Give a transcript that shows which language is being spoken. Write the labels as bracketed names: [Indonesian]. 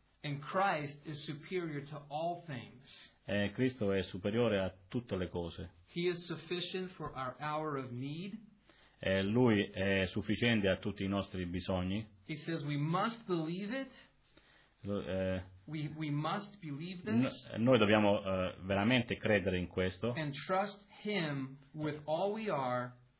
[English] And Christ is superior to all things. [Italian] E Cristo è superiore a tutte le cose. [English] He is sufficient for our hour of need. [Italian] E lui è sufficiente a tutti i nostri bisogni. [English] He says we must believe it. We must believe this. [Italian] Noi dobbiamo veramente credere in questo. [English] And trust him with all we are.